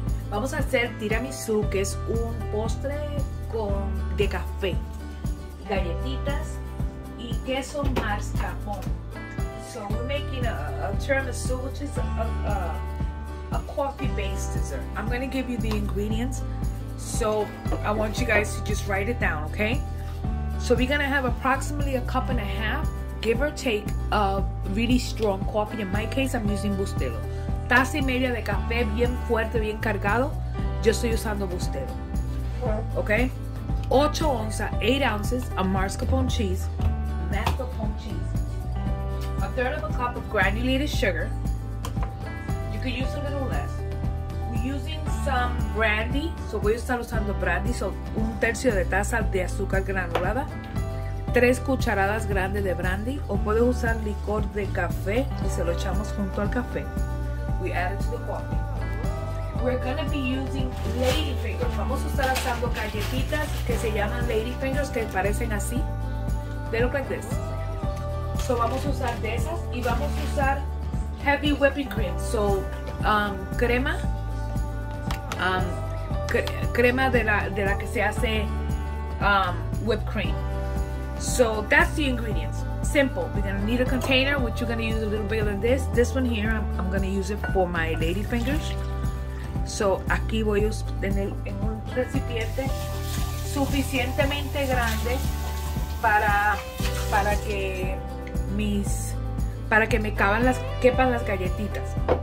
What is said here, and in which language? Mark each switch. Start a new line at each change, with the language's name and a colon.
Spanish: Vamos a hacer tiramisú, que es un postre de café, galletitas y queso mascarpone.
English: So we're making a tiramisú, which is a coffee-based dessert. I'm going to give you the ingredients, so I want you guys to just write it down, okay? So we're going to have approximately a cup and a half, give or take, of really strong coffee. In my case, I'm using Bustelo.
Spanish: Taza y media de café bien fuerte, bien cargado. Yo estoy usando Bustelo. Okay? 8 onzas, 8 ounces of mascarpone cheese.
English: Mascarpone cheese. A third of a cup of granulated sugar. You could use a little less. We're using some brandy. So voy a estar usando brandy.
Spanish: So 1/3 de taza de azúcar granulada. 3 cucharadas grandes de brandy. O puedes usar licor de café y se lo echamos junto al café. We add it to the coffee. We're gonna be using lady fingers. Vamos a estar usando galletitas que se llaman lady fingers, que parecen así. They look like this. So vamos a usar de esas y vamos a usar heavy whipping cream. So crema de la que se hace whipped cream.
English: So that's the ingredients. Simple. We're gonna need a container, which you're gonna use a little bigger than this. This one here, I'm gonna use it for my lady fingers.
Spanish: So, aquí voy a tener en un recipiente suficientemente grande para que me quepan las galletitas.